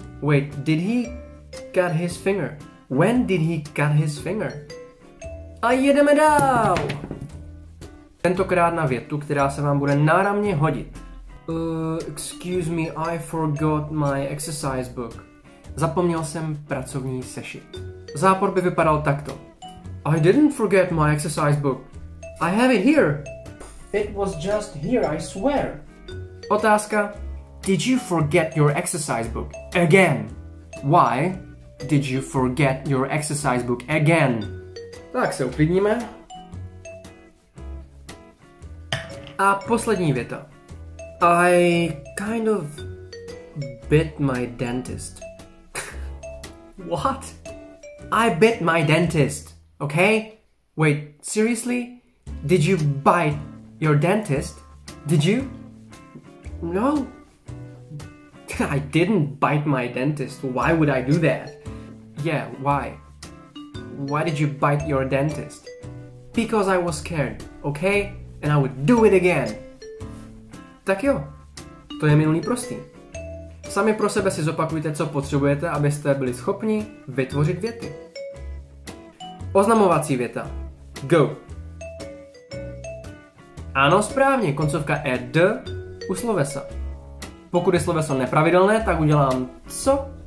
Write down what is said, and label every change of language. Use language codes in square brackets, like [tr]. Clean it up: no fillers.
[en] Wait, did he cut his finger? When did he cut his finger? [cs] A jedeme dál! Tentokrát na větu, která se vám bude náramně hodit. [en] Excuse me, I forgot my exercise book. [cs] Zapomněl jsem pracovní sešit. Zápor by vypadal takto. [en] I didn't forget my exercise book. I have it here. It was just here, I swear. [cs] Otázka. [en] Did you forget your exercise book again? Why did you forget your exercise book again? [cs] Tak se uklidníme. A poslední věta. [en] I kind of bit my dentist. What? I bit my dentist, okay? Wait, seriously? Did you bite your dentist? Did you? No. I didn't bite my dentist. Why would I do that? Yeah, why? Why did you bite your dentist? Because I was scared, okay? And I would do it again. [cs] Tak jo, to je minulý prostý. Sami pro sebe si zopakujte, co potřebujete, abyste byli schopni vytvořit věty. Oznamovací věta. Go. Ano, správně, koncovka ed u slovesa. Pokud je sloveso nepravidelné, tak udělám co?